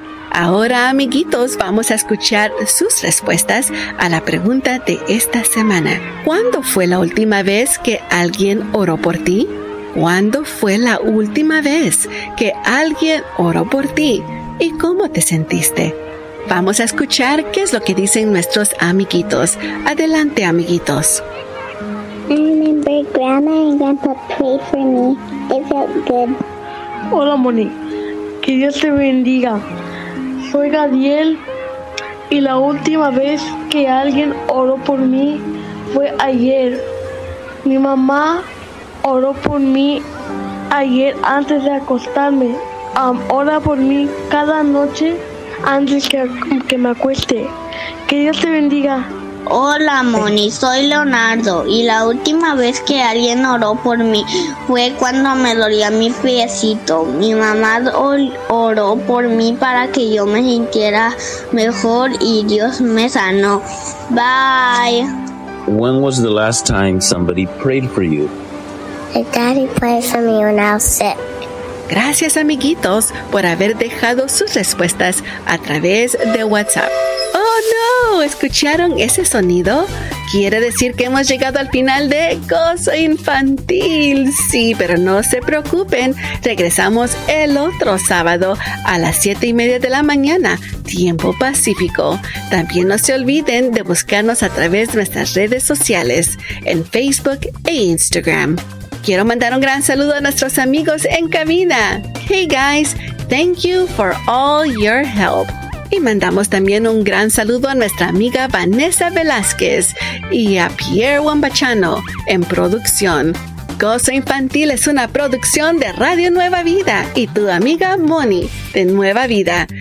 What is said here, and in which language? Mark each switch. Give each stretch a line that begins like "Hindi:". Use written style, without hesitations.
Spanish: Ahora, amiguitos, vamos a escuchar sus respuestas a la pregunta de esta semana. ¿Cuándo fue la última vez que alguien oró por ti? ¿Cuándo fue la última vez que alguien oró por ti y cómo te sentiste? Vamos a escuchar qué es lo que dicen nuestros amiguitos. Adelante, amiguitos.
English: I remember Grandma and Grandpa prayed for me. It felt good.
Spanish: Hola, Moni. Que Dios te bendiga. Soy Gadiel y la última vez que alguien oró por mí fue ayer. Mi mamá oró por mí ayer antes de acostarme. Ora por mí cada noche antes que me acueste. Que Dios te bendiga. Hola, Moni. Soy Leonardo. Y la última vez que alguien oró por mí fue cuando me dolía mi piecito. Mi mamá oró por mí para que yo me sintiera mejor y Dios me sanó.
English: Bye. When was the last time somebody prayed for you? Daddy prayed for me when I was sick.
Spanish: Gracias, amiguitos, por haber dejado sus respuestas a través de WhatsApp. ¡Oh, no! ¿Escucharon ese sonido? Quiere decir que hemos llegado al final de Gozo Infantil. Sí, pero no se preocupen. Regresamos el otro sábado a las 7:30 de la mañana, tiempo pacífico. También no se olviden de buscarnos a través de nuestras redes sociales en Facebook e Instagram. Quiero mandar un gran saludo a nuestros amigos en cabina.
English: Hey guys, thank you for all your help.
Spanish: Y mandamos también un gran saludo a nuestra amiga Vanessa Velázquez y a Pierre Wambachano en producción. Gozo Infantil es una producción de Radio Nueva Vida y tu amiga Moni de Nueva Vida.